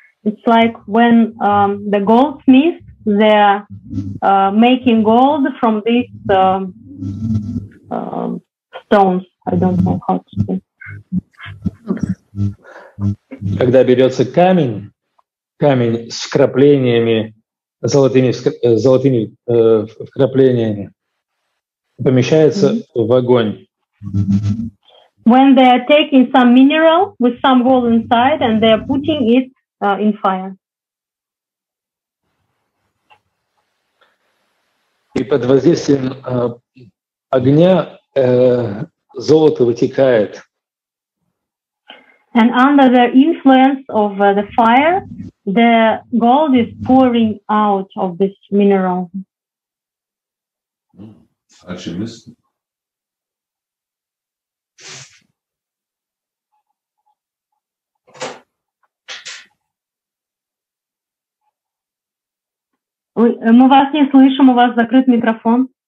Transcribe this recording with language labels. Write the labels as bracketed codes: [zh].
[en] It's like when the goldsmith, they're making gold from these stones. I don't know how to say. [ru] Когда берется камень с вкраплениями, золотыми вкраплениями, помещается в огонь. [en] When they are taking some mineral with some gold inside and they are putting it in fire. [ru] И под воздействием огня золото вытекает. [en] And under the influence of the fire, the gold is pouring out of this mineral. [ru] Мы вас не слышим, у вас закрыт микрофон.